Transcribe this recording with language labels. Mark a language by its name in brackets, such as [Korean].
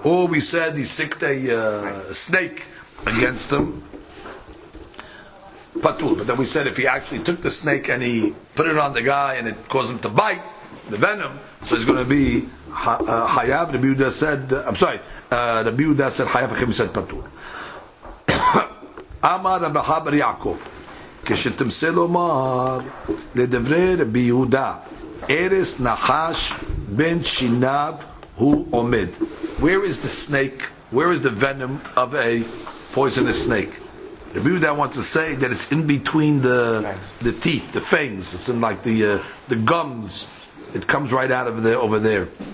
[English] Or we said he sicked a snake against him. Patul. But then we said if he actually took the snake and he put it on the guy and it caused him to bite, the venom, so he's going to be Hayav. Rabbi Yehuda said, Rabbi Yehuda said Hayav, he said Patul. [Hebrew] Amar Rabbi Habar Yaakov. כשתמסל אומר לדברי רבי יהודה ארס נחש בין שיניו הוא עומד. [English] Where is the snake? Where is the venom of a poisonous snake? Rabbi Yehuda wants to say that it's in between the teeth, the fangs. It's in like the gums. It comes right out of there, over there.